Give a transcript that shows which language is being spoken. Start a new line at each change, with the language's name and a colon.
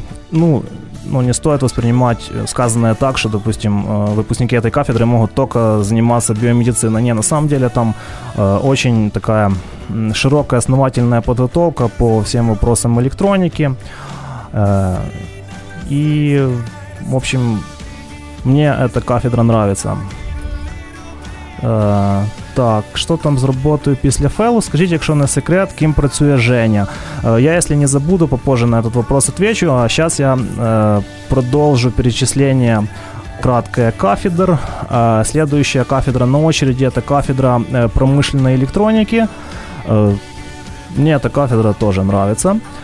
Russian: Ну, не стоит воспринимать сказанное так, что, допустим, выпускники этой кафедры могут только заниматься биомедициной. Не, на самом деле там очень такая широкая, основательная подготовка по всем вопросам электроники. И, в общем, мне эта кафедра нравится.
Ukrainian: Так, что там з роботою після фелу? Скажіть, якщо не секрет, ким працює Женя?
Russian: Я, если не забуду, попозже на этот вопрос отвечу. А сейчас я продолжу перечисление краткое кафедр. Следующая кафедра на очереди – это кафедра промышленной электроники. Мне эта кафедра тоже нравится.